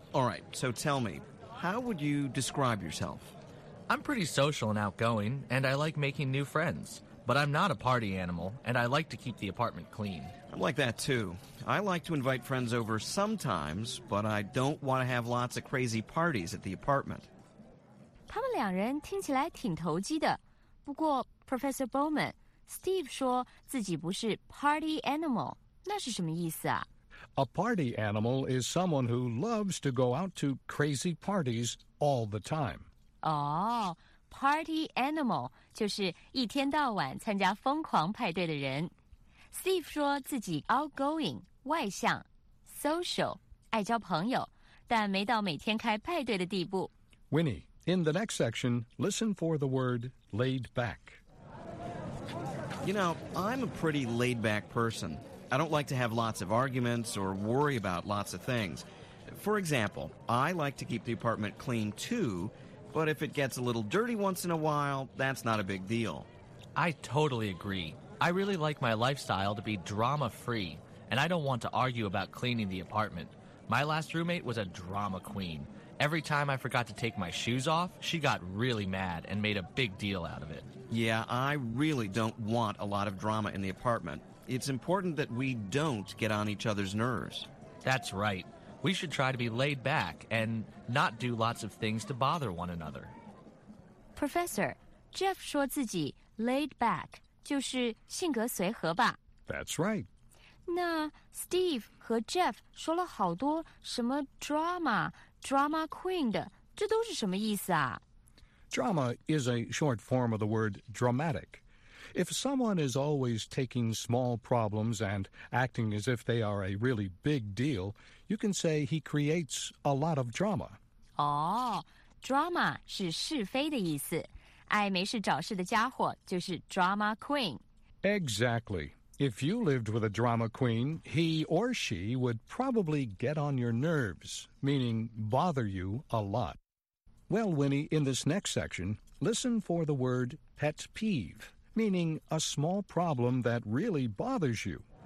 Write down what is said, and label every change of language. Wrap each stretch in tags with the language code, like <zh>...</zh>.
<en>All right, so tell me, how would you describe yourself? I'm pretty social and outgoing, and I like making new friends. But I'm not a party animal, and I like to keep the apartment clean. I'm like that, too. I like to invite friends over sometimes, but I don't want to have lots of crazy parties at the apartment.</en> <zh>他们两人听起来挺投机的。不过 Professor Bowman, Steve 说自己不是 party animal. 那是什么意思啊?</zh> <en>A party animal is someone who loves to go out to crazy parties all the time.</en> <zh>Oh, party animal 就是一天到晚参加疯狂派对的人。 Steve 说自己 outgoing, 外向, social, 爱交朋友,但没到每天开派对的地步。</zh> <en>Winnie, in the next section, listen for the word laid back. You know, I'm a pretty laid-back person. I don't like to have lots of arguments or worry about lots of things. For example, I like to keep the apartment clean too, but if it gets a little dirty once in a while, that's not a big deal. I totally agree. I really like my lifestyle to be drama-free, and I don't want to argue about cleaning the apartment. My last roommate was a drama queen. Every time I forgot to take my shoes off, she got really mad and made a big deal out of it. Yeah, I really don't want a lot of drama in the apartment. It's important that we don't get on each other's nerves. That's right. We should try to be laid back and not do lots of things to bother one another.</en> <zh>Professor, Jeff 说自己 laid back 就是性格随和吧。</zh> <en>That's right.</en> <zh>那 Steve 和 Jeff 说了好多什么 drama, drama queen 的，这都是什么意思啊?</zh> <en>Drama is a short form of the word dramatic. If someone is always taking small problems and acting as if they are a really big deal, you can say he creates a lot of drama.</en> <zh>Oh, drama 是是非的意思。爱没事找事的家伙就是 drama queen.</zh> <en>Exactly. If you lived with a drama queen, he or she would probably get on your nerves, meaning bother you a lot. Well, Winnie, in this next section, listen for the word pet peeve. Meaning a small problem that really bothers you.</en>